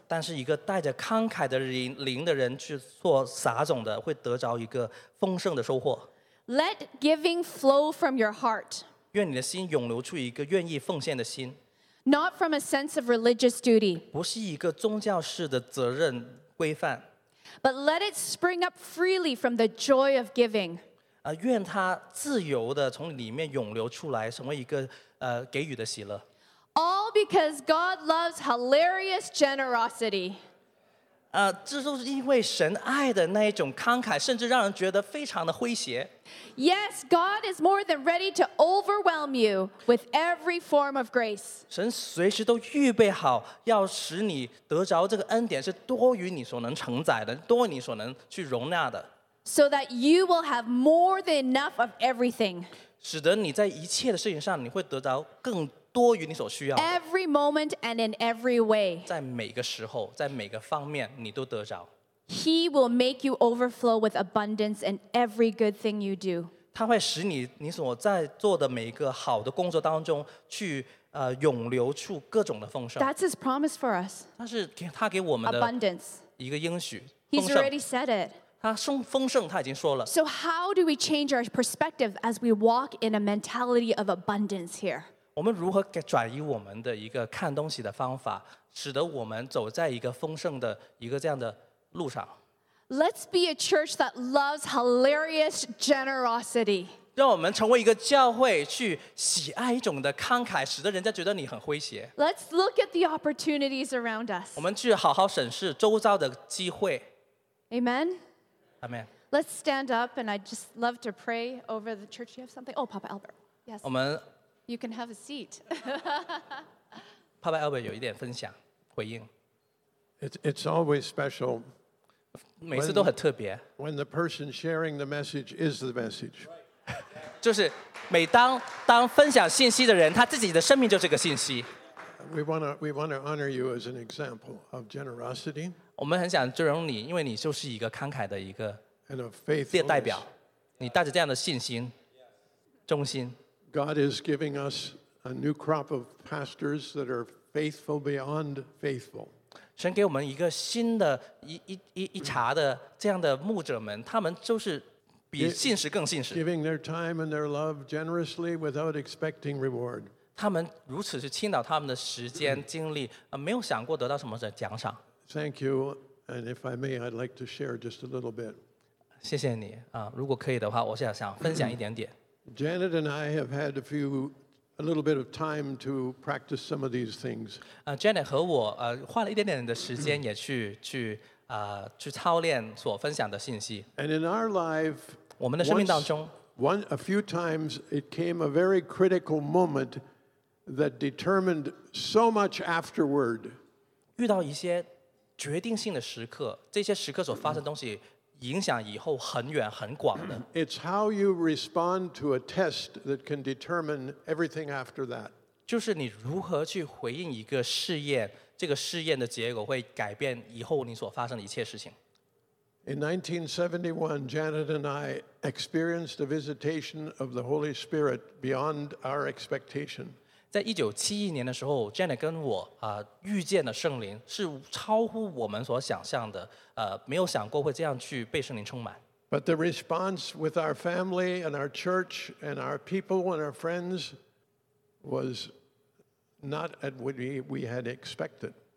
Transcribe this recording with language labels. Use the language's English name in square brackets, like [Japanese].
[Chinese] 但是一个带着慷慨的灵的人去做撒种的，会得着一个丰盛的收获。 [English] Let giving flow from your heart. [Chinese] 愿你的心涌流出一个愿意奉献的心。 [English] Not from a sense of religious duty. [Chinese] 不是一个宗教式的责任规范。 [English] But let it spring up freely from the joy of giving. [Chinese] 愿他自由地从里面涌流出来，成为一个给予的喜乐。 [English] All because God loves hilarious generosity. [Chinese] 这都是因为神爱的那一种慷慨，甚至让人觉得非常的诙谐。 [English] Yes, God is more than ready to overwhelm you with every form of grace. [Chinese] 神随时都预备好要使你得着这个恩典，是多于你所能承载的，多于你所能去容纳的。 [English] So that you will have more than enough of everything. [Chinese] 使得你在一切的事情上，你会得到更多于你所需要的。 [English] Every moment and in every way. [Chinese] 在每个时候，在每个方面，你都得着。 [English] He will make you overflow with abundance in every good thing you do. [Chinese] 他会使你所在做的每一个好的工作当中去涌流出各种的丰盛。 [English] That's his promise for us. [Chinese] 那是他给我们的 [English] abundance [Chinese] 一个应许。 [English] He's already said it. [Chinese] 丰盛他已经说了。 [English] So how do we change our perspective as we walk in a mentality of abundance here? [Chinese] 我们如何转移我们的一个看东西的方法，使得我们走在一个丰盛的一个这样的路上？ [English] Let's be a church that loves hilarious generosity. [Chinese] 让我们成为一个教会，去喜爱一种的慷慨，使得人家觉得你很诙谐。 [English] Let's look at the opportunities around us. [Chinese] 我们去好好审视周遭的机会。 [English] Amen. Amen. Let's stand up, and I'd just love to pray over the church. You have something? Oh, Papa Albert. Yes. [Chinese] 我们 [English] You can have a seat. [Chinese] Papa Albert 有一点分享回应 [English] It's always special. [Chinese] 每次都很特别 [English] When the person sharing the message is the message. [Chinese] 就是每当分享信息的人，他自己的生命就是个信息。 [English] We want to honor you as an example of generosity. [Chinese] 我们很想尊荣你，因为你就是一个慷慨的一个代表，你带着这样的信心、忠心。 [English] God is giving us a new crop of pastors that are faithful beyond faithful. [Chinese] 神给我们一个新的一茬的这样的牧者们，他们就是比信实更信实。 [English] Giving their time and their love generously without expecting reward. [Chinese] 他们如此去倾倒他们的时间精力，没有想过得到什么的奖赏。 [English] Thank you, and if I may, I'd like to share just a little bit. [Chinese] 谢谢你啊！如果可以的话，我想分享一点点。 [English] Janet and I have had a little bit of time to practice some of these things. [Chinese] Janet 和我花了一点点的时间，也去操练所分享的信息。 [English] And in our life, [Chinese] 我们的生命当中 [English] a few times it came a very critical moment that determined so much afterward. [Chinese] 遇到一些决定性的时刻，这些时刻所发生的东西影响以后很远很广的。 [English] It's how you respond to a test that can determine everything after that. [Chinese] 就是你如何去回应一个试验，这个试验的结果会改变以后你所发生的一切事情。 [English] In 1971, Janet and I experienced a visitation of the Holy Spirit beyond our expectation. [Chinese] 在1971年的时候 ，Janet 跟我遇见的圣灵是超乎我们所想象的，没有想过会这样去被圣灵充满。 [English] But the response with our family and our church and our people and our friends was not at what we had expected.